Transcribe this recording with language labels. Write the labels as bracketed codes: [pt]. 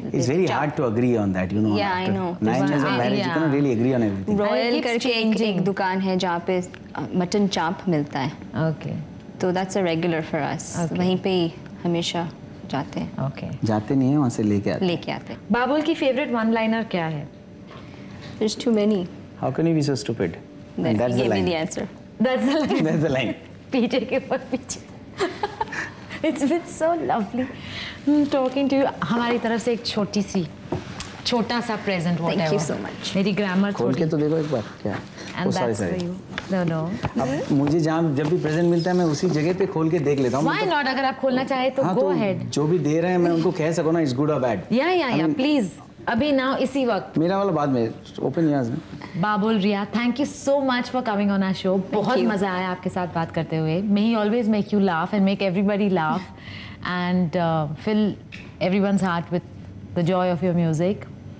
[en] It's very hard to agree on that, you know. Yeah, I know. 9 years of marriage, you cannot really agree on everything. [hi] Royal karke ek dukaan hai jahan pe mutton chaap milta hai. [en] Okay. So that's a regular for us. [hi] वहीं पे ही हमेशा जाते हैं। [en] Okay. [hi] जाते नहीं हैं वहाँ से लेके आते। लेके आते। बाबुल की favorite one-liner क्या है? [en] There's too many. How can you be so stupid? That's the line. That's the line. That's the line. That's the line. [hi] पीछे के ऊपर पीछे। [en] It's been so lovely talking to you. [hi] हमारी तरफ से एक छोटी सी, छोटा सा present होता है। [en] Thank you so much. [hi] मेरी grammar खोल के तो देखो एक बार क्या। [en] And that's for you. No. [hi] अब मुझे जहाँ जब भी प्रेजेंट मिलता है मैं उसी जगह पे खोल के देख लेता [en] हूँ। Why not? [hi] अगर आप खोलना चाहे तो [en] go ahead. [hi] जो भी दे रहे हैं मैं उनको कह सकूँ ना, [en] it's good or bad. Yeah. Please. [hi] अभी now इसी वक्त. मेरा वाला बाद में. [en] Open yours. Babul Riya, thank you so much for coming on our show. [hi] बहुत मजा आया आपके साथ बात करते हुए. [en] May he always make you laugh and make everybody laugh and fill everyone's heart with the joy of your music.